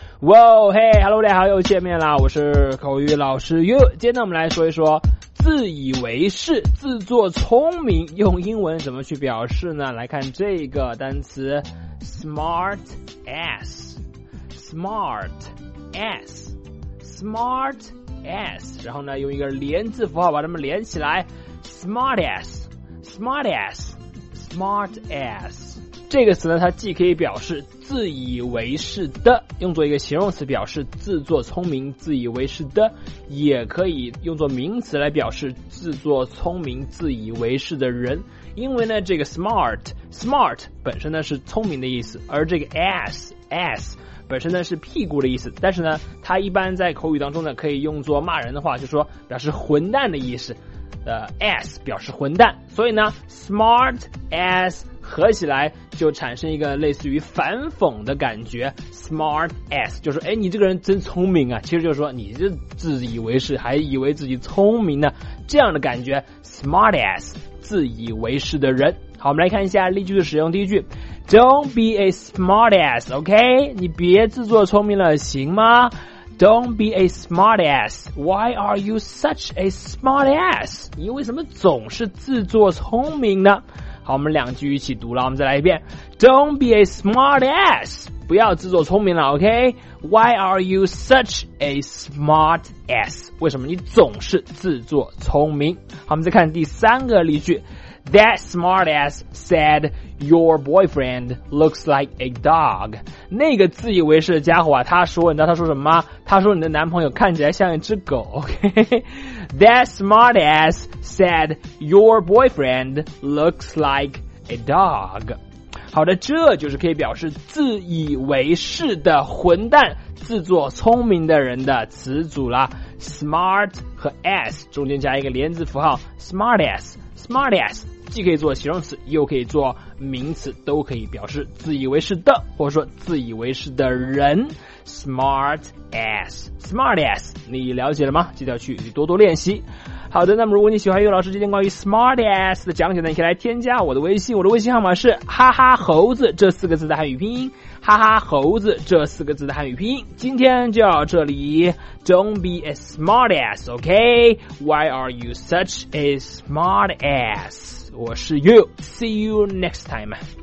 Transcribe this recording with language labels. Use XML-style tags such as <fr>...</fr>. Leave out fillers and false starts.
<zh>哇哦，嘿哈喽，大家好，又见面啦，我是口语老师哟。今天呢我们来说一说自以为是、自作聪明用英文怎么去表示呢？来看这个单词 smart ass smart ass smart ass， 然后呢用一个连字符号把它们连起来 smart ass smart ass smart ass。这个词呢它既可以表示自以为是的，用作一个形容词表示自作聪明自以为是的，也可以用作名词来表示自作聪明自以为是的人。因为呢这个 smart 本身呢是聪明的意思，而这个 ass 本身呢是屁股的意思，但是呢它一般在口语当中呢可以用作骂人的话，就说表示混蛋的意思，ass 表示混蛋，所以呢 smart ass合起来就产生一个类似于反讽的感觉， smart ass 就是哎，你这个人真聪明啊，其实就是说你这自以为是还以为自己聪明呢，这样的感觉 smart ass 自以为是的人。好，我们来看一下例句的使用。第一句，</zh> <en>don't be a smart ass，</en> <zh>OK， 你别自作聪明了行吗？</zh> <en>don't be a smart ass， why are you such a smart ass，</en> <zh>你为什么总是自作聪明呢？好，我们两句一起读了，我们再来一遍。</zh> <en>Don't be a smart ass，</en> <zh>不要自作聪明了</zh> <en>，OK？ Why are you such a smart ass？</en> <zh>为什么你总是自作聪明？好，我们再看第三个例句。</zh> <en>That smart ass said your boyfriend looks like a dog。</en> <zh>那个自以为是的家伙啊，他说，你知道他说什么吗？他说你的男朋友看起来像一只狗 ，OK？</zh> <en>That smart ass said your boyfriend looks like a dog。</en> <zh>好的，这就是可以表示自以为是的混蛋、自作聪明的人的词组啦。 Smart 和 ass 中间加一个连字符号 ，smart ass。 Smart ass 既可以做形容词又可以做名词，都可以表示自以为是的或者说自以为是的人。 Smart ass Smart ass 你了解了吗？记得去多多练习。好的，那么如果你喜欢岳老师今天关于 smart ass 的讲解呢，你可以来添加我的微信，我的微信号码是哈哈猴子这四个字的汉语拼音，哈哈猴子这四个字的汉语拼音。今天就到这里，</zh> <en>Don't be a smart ass OK? Why are you such a smart ass?</en> <zh>我是</zh> <en>You See you next time</en>